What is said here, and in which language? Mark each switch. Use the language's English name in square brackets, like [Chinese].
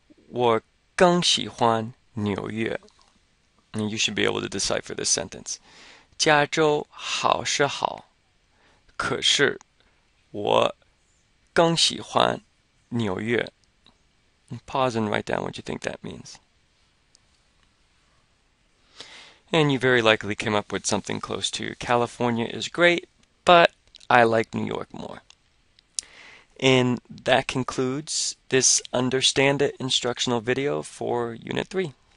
[Chinese] 加州好是好，可是我更喜欢纽约。 [English] And you should be able to decipher this sentence. [Chinese] 加州好是好，可是我更喜欢纽约. [English] Pause and write down what you think that means. And you very likely came up with something close to California is great, but I like New York more. And that concludes this Understand It instructional video for Unit 3.